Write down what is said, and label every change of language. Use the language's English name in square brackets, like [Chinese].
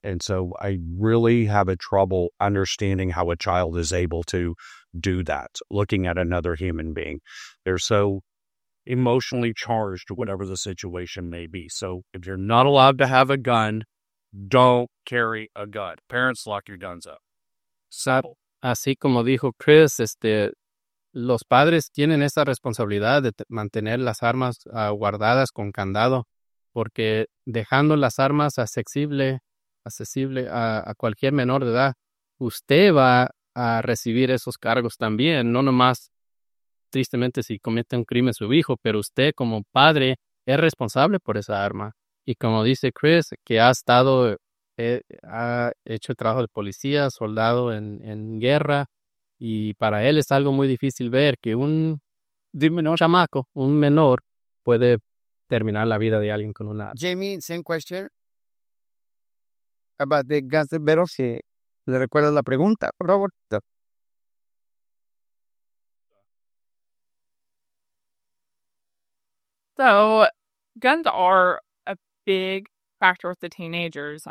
[English] And so I really have a trouble understanding how a child is able to do that, looking at another human being. They're so emotionally charged, whatever the situation may be. So if you're not allowed to have a gun, don't carry a gun. Parents, lock your guns up. Simple. [Spanish] Así como dijo Chris, los padres tienen esa responsabilidad de mantener las armas guardadas con candado, porque dejando las armas accesible a cualquier menor de edad, usted va a recibir esos cargos también, no nomás tristemente si comete un crimen su hijo, pero usted como padre es responsable por esa arma. Y como dice Chris, que ha hecho el trabajo de policía, soldado en guerra, y para él es algo muy difícil ver que un menor, puede terminar la vida de alguien con una arma. [English] Jamie, same question about the guns and barrels. [Spanish] Si le recuerdas la pregunta, Robert. [English] So, guns are a big factor with the teenagers.